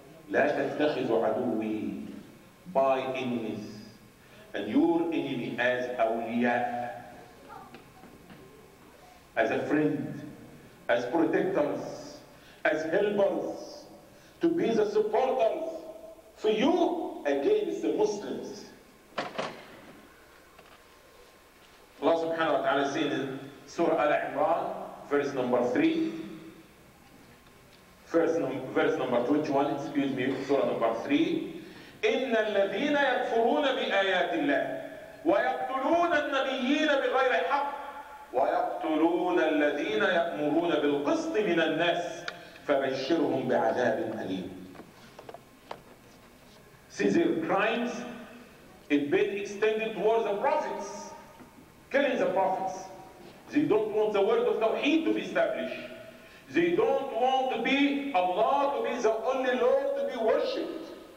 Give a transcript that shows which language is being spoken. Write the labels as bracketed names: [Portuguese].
[Arabic] لا تتخذوا عدوي [English] my enemies and your enemy as awliya, as a friend, as protectors, as helpers, to be the supporters for you against the Muslims. Allah subhanahu wa ta'ala says in Surah Al-Imran, verse number 3, verse number 21, excuse me, Surah number 3, [Arabic] إن الذين يكفرون بآيات الله ويقتلون النبيين بغير حق ويقتلون الذين يأمرون بالقسط من الناس فبشرهم بعذاب أليم. [English] See their crimes, it been extended towards the prophets, killing the prophets. They don't want the word of Tawheed to be established. They don't want to be Allah to be the only Lord to be worshipped.